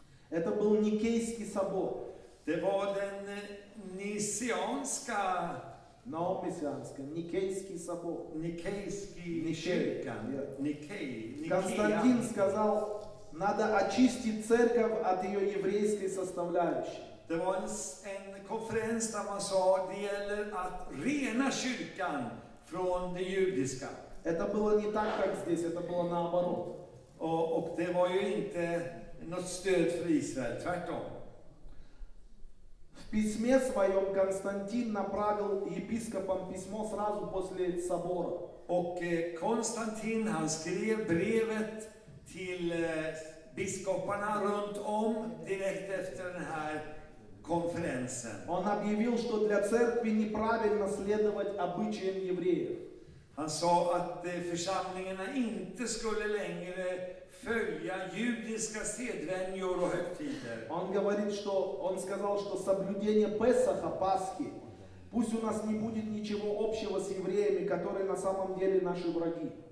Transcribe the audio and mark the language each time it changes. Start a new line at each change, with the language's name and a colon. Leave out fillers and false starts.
Russian: Это был Никейский собор.
Swedish: Det var den Nicianska. No, Messianska.
Russian: Никейский собор. Никейский кирка. Константин сказал, надо очистить церковь от ее еврейской составляющей.
Swedish: Det var en konferens där man sa att det gäller att rena kyrkan från det judiska.
Russian: Это было не так, как здесь, это было наоборот.
Swedish: Och det var ju inte något stöd för Israel, tvärtom.
Russian: В письме своем Константин направил епископам письмо сразу после собора.
Swedish: Och Konstantin, han skrev brevet till biskoparna runt om direkt efter den här konferensen.
Russian: Он объявил, что для церкви неправильно следовать обычаям евреев.
Swedish: Han sa att församlingarna inte skulle längre följa judiska sedvänjor och högtider.
Russian: Он говорит, что он сказал, что соблюдение Песаха, Пасхи, пусть у нас не будет ничего общего с евреями, которые на самом деле наши враги.